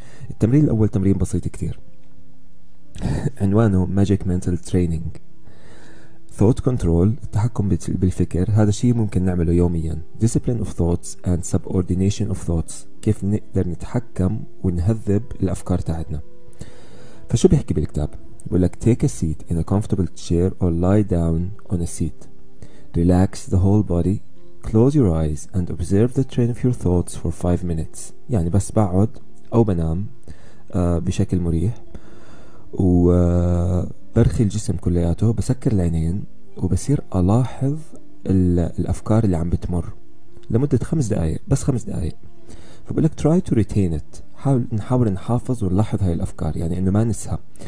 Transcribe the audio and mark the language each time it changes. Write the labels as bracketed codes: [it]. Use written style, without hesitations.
[ar] التمرين الأول تمرين بسيط كتير، عنوانه [en] Magic Mental Training Thought Control، [ar] التحكم بالفكر. هذا شيء ممكن نعمله يوميا، [en] Discipline of Thoughts and Subordination of Thoughts، [ar] كيف نقدر نتحكم ونهذب الأفكار تاعتنا. فشو بيحكي بالكتاب؟ ولك [en] take a seat in a comfortable chair or lie down on a seat. Relax the whole body, close your eyes and observe the train of your thoughts for 5 minutes. [ar] يعني بس بقعد أو بنام بشكل مريح، وبرخي الجسم كلياته، بسكر العينين وبصير ألاحظ الأفكار اللي عم بتمر لمدة 5 دقائق، بس 5 دقائق. فبقولك [en] try to retain it، [ar] نحاول نحافظ ونلاحظ هاي الأفكار، يعني إنه ما ننسها.